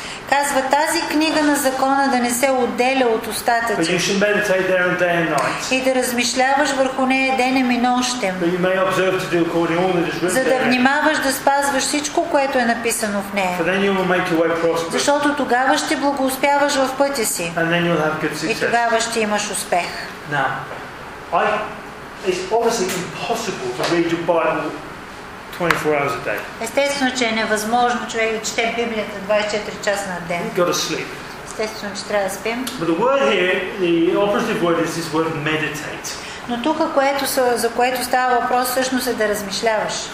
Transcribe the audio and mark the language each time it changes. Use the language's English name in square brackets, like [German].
[Bulgarian] Казва, тази книга на закона да не се отделя от устата ти. [English] But you should meditate there and day and night. [Bulgarian] И да размишляваш върху нея денем и нощем. [English] But you may observe to do according to all that is written. [Bulgarian] За да внимаваш да спазваш всичко, което е написано в нея. [English] For then you will make your way prosperous. [Bulgarian] Защото тогава ще благоуспяваш в пътя си. [English] And then you'll have good success. [Bulgarian] И тогава ще имаш успех. [English] Now, it's obviously impossible to read your Bible 24 hours a day. [Bulgarian] Естествено, че е невъзможно човек да чете Библията 24 часа на ден. [English] You've got to sleep. [Bulgarian] Естествено, че трябва да спим. [English] But the word here, the operative word is this word meditate. [Bulgarian] Но тук, за което става въпрос, всъщност е да размишляваш.